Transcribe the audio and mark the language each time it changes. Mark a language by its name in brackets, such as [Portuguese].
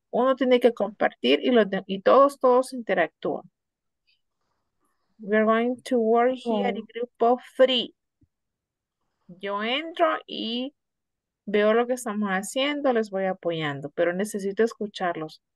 [Spanish] Uno tiene que compartir y los y todos interactúan. [English] We're going to work here in group of three. [Spanish] Yo entro y veo lo que estamos haciendo, les voy apoyando, pero necesito escucharlos.